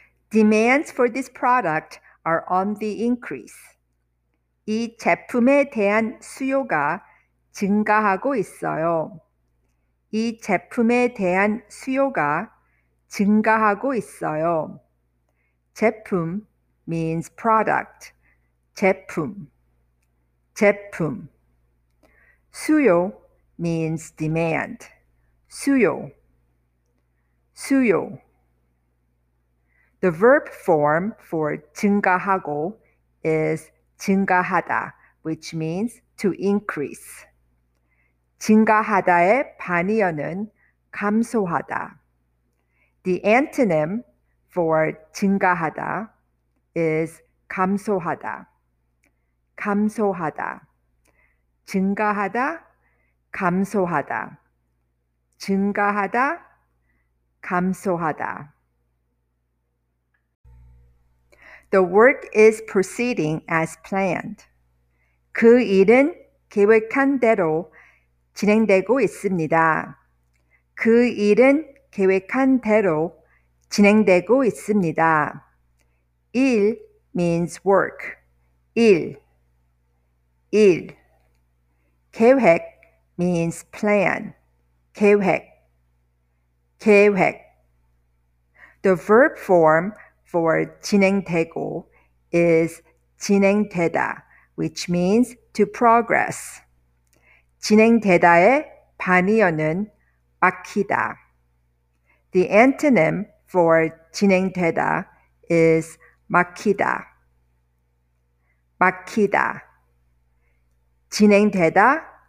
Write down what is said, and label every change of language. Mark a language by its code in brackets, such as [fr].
[en] Demands for this product are on the increase. [ko] 이 제품에 대한 수요가 증가하고 있어요. 이 제품에 대한 수요가 증가하고 있어요. 제품 means product. 제품. 제품. 수요 means demand. 수요. 수요. [en] The verb form for 증가하고 is 증가하다, which means to increase. [ko] 증가하다의 반이어는 감소하다. [en] The antonym for 증가하다 is 감소하다. [ko] 감소하다. 증가하다, 감소하다. 증가하다, 감소하다. [en] The work is proceeding as planned. [ko] 그 일은 계획한 대로 진행되고 있습니다. 그 일은 계획한 대로 진행되고 있습니다. 일 means work. 일. 일. 계획 means plan. 계획. 계획. [en] The verb form for 진행되고 is 진행되다, which means to progress. [ko] 진행되다의 반이어는 막히다. [en] The antonym for 진행되다 is 막히다. [ko] 막히다. 진행되다,